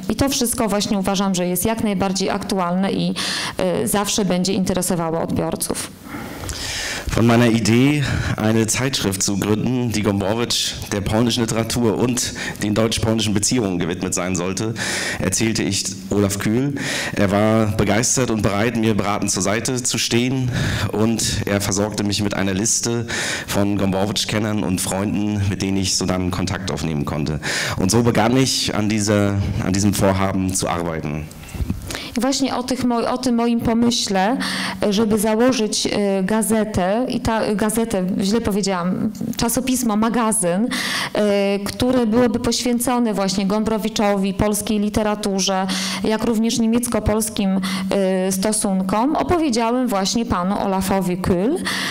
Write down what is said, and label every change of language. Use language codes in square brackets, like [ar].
[pl] I to wszystko właśnie uważam, że jest jak najbardziej aktualne i zawsze będzie interesowało odbiorców. [de] von meiner Idee, eine Zeitschrift zu gründen, die Gombrowicz der polnischen Literatur und den deutsch-polnischen Beziehungen gewidmet sein sollte, erzählte ich Olaf Kühl. Er war begeistert und bereit, mir beratend zur Seite zu stehen, und er versorgte mich mit einer Liste von Gombrowicz-Kennern und Freunden, mit denen ich so dann Kontakt aufnehmen konnte. Und so begann ich an diesem Vorhaben zu arbeiten. [pl] Właśnie o tym moim pomyśle, żeby założyć gazetę, i ta gazetę, źle powiedziałam, czasopismo, magazyn, które byłoby poświęcone właśnie Gombrowiczowi, polskiej literaturze, jak również niemiecko-polskim stosunkom, opowiedziałem właśnie panu Olafowi Kühl.